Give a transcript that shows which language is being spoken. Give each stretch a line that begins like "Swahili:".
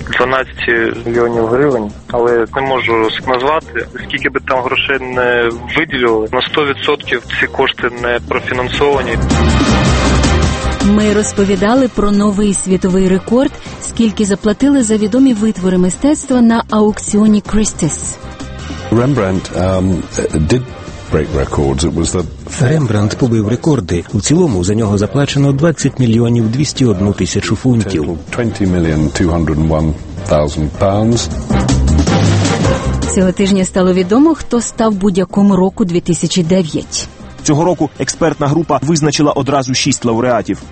Ukrainian: 12 мільйонів гривень, але не можу назвати, скільки би там грошей не виділили. На 100% ці кошти не профінансовані. Ми розповідали про новий світовий рекорд, скільки заплатили за відомі витвори мистецтва на аукціоні Christie's.
English: Rembrandt did break records. It was the
Ukrainian: Рембрандт побив рекорди. У цілому за нього заплачено 20 мільйонів 201 тисячу фунтів. 20 мільйонів 201 тисячу фунтів. Цього тижня стало відомо, хто став будь-яким року 2009. Цього року експертна група визначила одразу 6 лауреатів.